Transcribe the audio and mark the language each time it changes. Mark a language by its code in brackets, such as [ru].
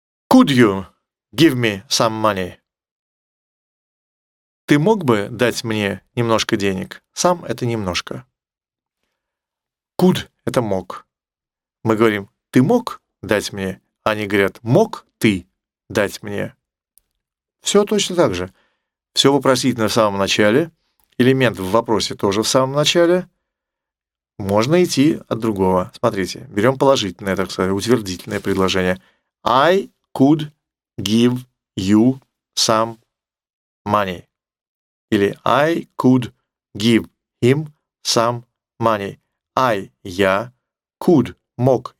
[en] Could you give me some money? [ru] Ты мог бы дать мне немножко денег? Сам это немножко. Could — это мог. Мы говорим, ты мог дать мне? Они говорят, мог ты дать мне? Все точно так же. Все вопросительно в самом начале. Элемент в вопросе тоже в самом начале. Можно идти от другого. Смотрите, берем положительное, так сказать, утвердительное предложение. [en] I could give you some money. [ru] Или [en] I could give him some money. [ru] I, я, could, мог или мог бы, give, дать, him, ему,